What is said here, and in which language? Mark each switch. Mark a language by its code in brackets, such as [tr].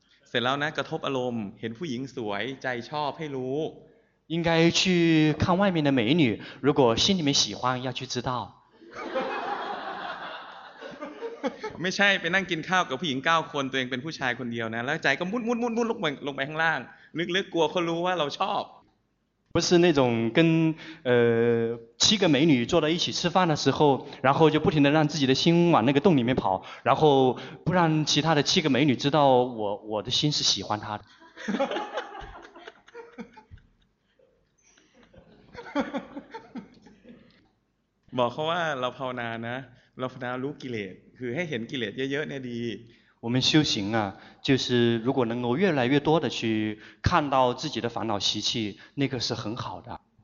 [th] เสร็จแล้วนะกระทบอารมณ์เห็นผู้หญิงสวยใจชอบให้รู้ [zh] 应该去看外面的美女如果心里面喜欢要去知道 [th] ไม่ใช่ไปนั่งกินข้าวกับผู้หญิง9คนตัวเองเป็นผู้ชายคนเดียวนะแล้วใจก็มุดลงไปข้างล่างนึกๆกลัวเขารู้ว่าเราชอบ [zh] 不是那种跟七个美女坐在一起吃饭的时候，然后就不停的让自己的心往那个洞里面跑，然后不让其他的七个美女知道我的心是喜欢她的。 [th] บอกเขาว่าเราภาวนานะเราภาวนารู้กิเลสคือให้เห็นกิเลสเยอะๆเนี่ยดี [zh] 我们修行啊，就是如果能够越来越多的去看到自己的烦恼习气，那个是很好的。